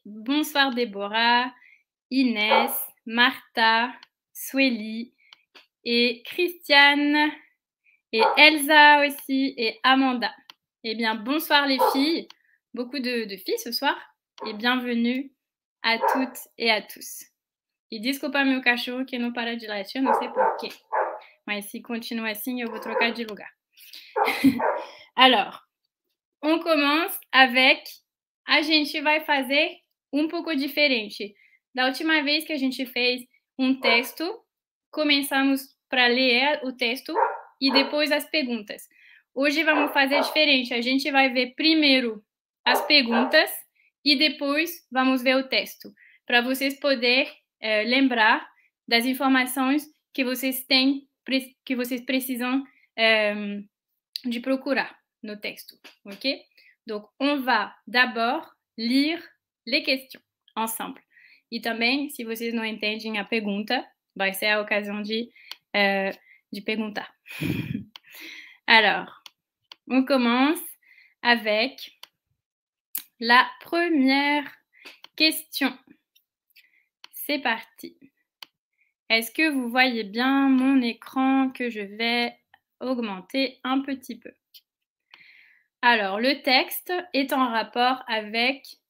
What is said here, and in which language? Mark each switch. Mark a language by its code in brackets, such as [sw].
[fr] Bonsoir Déborah, Inès, Martha, Sueli et Christiane et Elsa aussi et Amanda. Eh bien, bonsoir les filles, beaucoup de filles ce soir et bienvenue à toutes et à tous. [pt] E desculpa meu cachorro que não para de latir, eu não sei por quê. Mas se continua assim, eu vou trocar de lugar. [fr] Alors, on commence avec... [pt] A gente vai fazer um pouco diferente. Da última vez que a gente fez um texto, começamos para ler o texto e depois as perguntas. Hoje vamos fazer diferente. A gente vai ver primeiro as perguntas e depois vamos ver o texto. Para vocês poderem lembrar das informações que vocês têm, que vocês precisam de procurar no texto, ok? [fr] Donc, on va d'abord lire les questions ensemble. [pt] E também, se vocês não entendem a pergunta, vai ser a ocasião de perguntar. [fr] Alors, on commence avec la première question. C'est parti. Est-ce que vous voyez bien mon écran que je vais augmenter un petit peu? Alors, le texte est en rapport avec